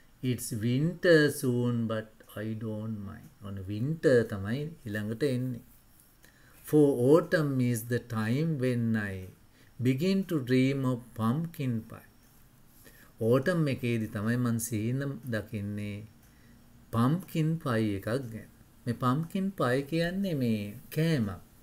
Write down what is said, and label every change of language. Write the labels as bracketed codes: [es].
[en] It's winter soon but I don't mind. [si] ඔන්න winter තමයි ඊළඟට එන්නේ. [en] For autumn is the time when I begin to dream of pumpkin pie. [si] Autumn එකේදී තමයි මං සීන දකින්නේ pumpkin pie එකක් ගැන. මේ pumpkin pie කියන්නේ මේ කෑමක්.